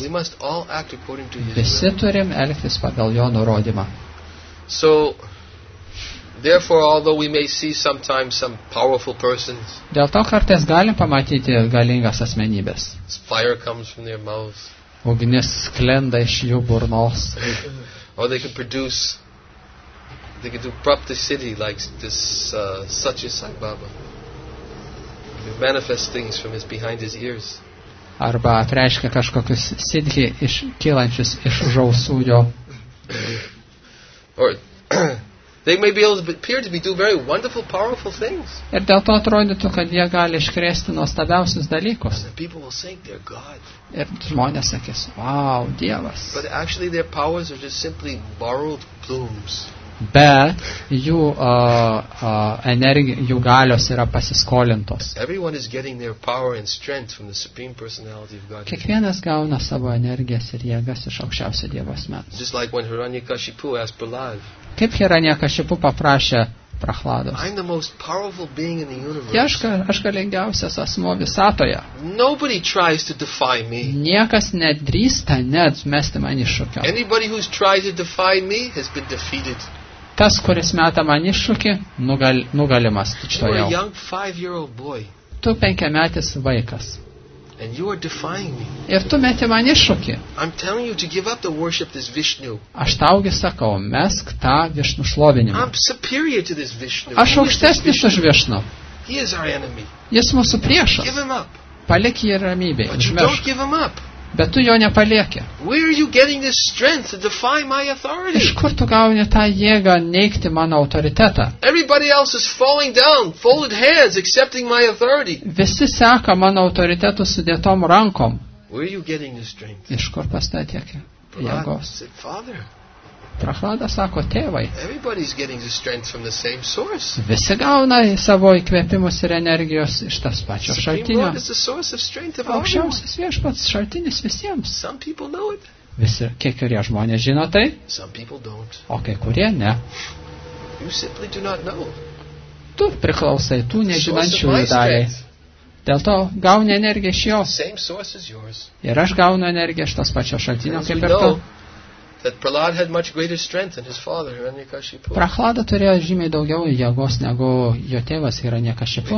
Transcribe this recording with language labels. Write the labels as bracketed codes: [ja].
[lt] Visi turim elgtis pagal jo nurodymą. [en] Therefore, although we may see sometimes some powerful persons, [lt] dėl to kartais galim pamatyti galingas asmenybės. [en] Fire comes from their mouths. [lt] Ugnis sklenda iš jų burnos. [en] Or they can produce, they can prop the city like this such as Sai Baba. They can manifest things from his behind his ears. [lt] Arba atreiškia kažkokius sidhi iš kylančius iš žausų jo. [en] Or they may be able to appear to be do very wonderful, powerful things. [lt] Ir dėl to atrodytų, kad jie gali iškrėsti nuostabiausius dalykus. [en] And people will say they're God. [lt] Ir žmonės sakys, wow, Dievas. [en] But actually their powers are just simply borrowed plumes. [lt] Bet jų energija, jų galios yra pasiskolintos. [en] Everyone is getting their power and strength from the supreme personality of God. [lt] Kiekvienas gauna savo energijas ir jėgas iš aukščiausio Dievo asmens. [en] Just like when Hiranyakashipu asked Prahlada. [lt] Kaip Hiranyakashipu paprašė Prahlados. [en] I'm the most powerful being in the universe. [lt] Aš galingiausias asmo visatoje. [en] Nobody tries to defy me. [lt] Niekas nedrįsta net mesti man iššūkio. [en] Anybody who's tried to defy me has been defeated. [lt] Tas, kuris meta man iššūkį, nugalimas tučtojau. [en] You're a young 5-year-old boy. [lt] Tu 5-metis vaikas. [en] And you are defying me. [lt] Ir tu meti man iššūkį. [en] I'm telling you to give up the worship this Vishnu. [lt] Aš taugi sakau, mesk tą Vishnu šlovinimą. [en] I'm superior to this Vishnu. [lt] Aš aukštesnis už Vishnu. [en] He is our enemy. [lt] Jis mūsų priešas. [en] Give him up. [lt] Palik jį ramybėje. [en] But you don't give him up. [lt] Bet tu jo nepalieki. [en] Where are you getting this strength to defy my authority? [lt] Iš kur tu gauni tą jėgą neigti mano autoritetą? [en] Everybody else is falling down, folded hands, accepting my authority. [lt] Visi seka mano autoritetu sudėtom rankom. [en] Where are you getting this strength? [lt] Iš kur pas tą tiek jėgos? [en] Father. [lt] Prahlada sako, tėvai. [en] Everybody's getting the strength from the same source. [lt] Visi gauna savo įkvėpimus ir energijos iš tas pačio šaltinio. Aukščiausias viešpats šaltinis visiems. [en] Some people know it. [lt] Visi, kiek ir jie žmonės žino tai. [en] Some people don't. [lt] O kai kurie ne. [en] You simply do not know. [lt] tu priklausai, tu nežinančiųjų daliai. Dėl to gauni energiją iš jos. Ir aš gaunu energiją iš tos pačios šaltinio kaip ir tu. [en] That Prahlad had much greater strength than his father, Hiranyakashipu. [lt] Prahlada turėjo žymiai daugiau jėgos negu jo tėvas Hiranyakashipu.